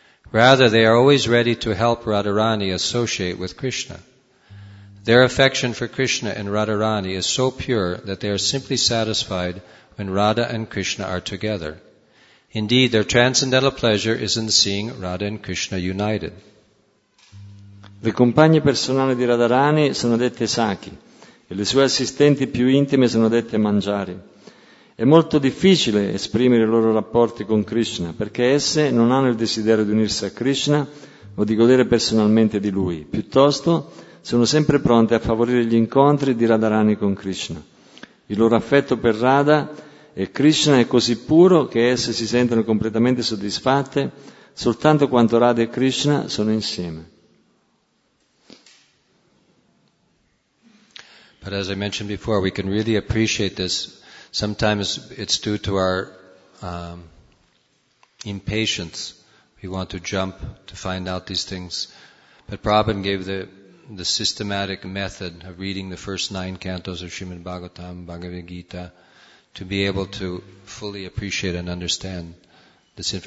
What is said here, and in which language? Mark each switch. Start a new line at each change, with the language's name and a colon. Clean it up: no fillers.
English: Rather, they are always ready to help Radharani associate with Krishna. Their affection for Krishna and Radharani is so pure that they are simply satisfied when Radha and Krishna are together. Indeed, their transcendental pleasure is in seeing Radha and Krishna united.
Italian: Le compagne personali di Radharani sono dette Sakhi. E le sue assistenti più intime sono dette Manjari. È molto difficile esprimere i loro rapporti con Krishna, perché esse non hanno il desiderio di unirsi a Krishna o di godere personalmente di lui. Piuttosto, sono sempre pronte a favorire gli incontri di Radharani con Krishna. Il loro affetto per Radha e Krishna è così puro che esse si sentono completamente soddisfatte soltanto quando Radha e Krishna sono insieme.
English: But as I mentioned before, we can really appreciate this. Sometimes it's due to our impatience. We want to jump to find out these things. But Prabhupada gave the systematic method of reading the first 9 cantos of Srimad Bhagavatam, Bhagavad Gita, to be able to fully appreciate and understand this.